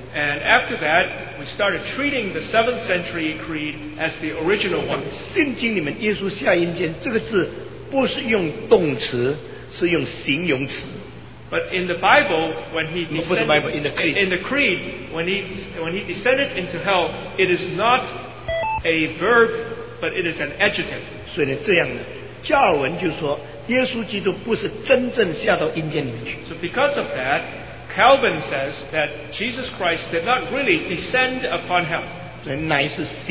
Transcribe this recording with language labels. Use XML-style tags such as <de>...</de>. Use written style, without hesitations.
<en>And after that, we started treating the 7th century Creed as the original one.</en> <zh>圣经里面耶稣下阴间这个字不是用动词，是用形容词。</zh> <en>But in the Bible, when he descended,</en> <zh>不是</zh> <en>Bible, in the Creed, in the Creed when he descended into hell, it is not a verb, but it is an adjective.</en> <zh>所以呢，这样的加尔文就说，耶稣基督不是真正下到阴间里面去。</zh> <en>So because of that, Calvin says that Jesus Christ did not really descend upon hell.</en>